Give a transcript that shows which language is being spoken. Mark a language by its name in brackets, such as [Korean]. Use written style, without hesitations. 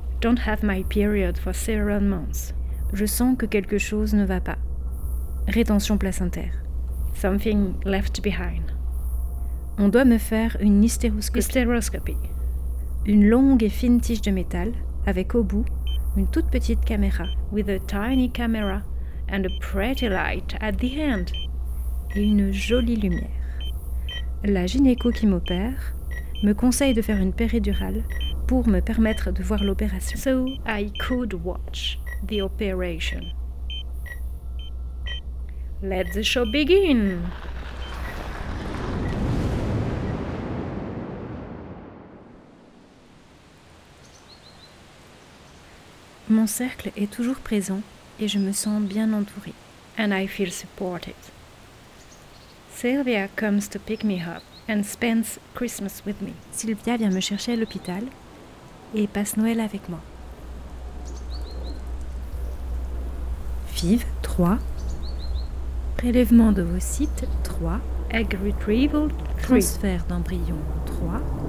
[English] don't have my period for several months. [French] Je sens que quelque chose ne va pas. Rétention placentaire. [English] Something left behind. [French] On doit me faire une hystéroscopie. Une longue et fine tige de métal avec au bout une toute petite caméra. [English] With a tiny camera and a pretty light at the end. [French] Et une jolie lumière. La gynéco qui m'opère me conseille de faire une péridurale pour me permettre de voir l'opération. [English] So I could watch the operation. Let the show begin! [French] Mon cercle est toujours présent et je me sens bien entourée. [English] And I feel supported. Sylvia comes to pick me up and spends Christmas with me. [French] Sylvia vient me chercher à l'hôpital et passe Noël avec moi. Vive 3. Prélèvement d'ovocyte 3. [English] Egg retrieval [French] 3. Transfert d'embryon 3.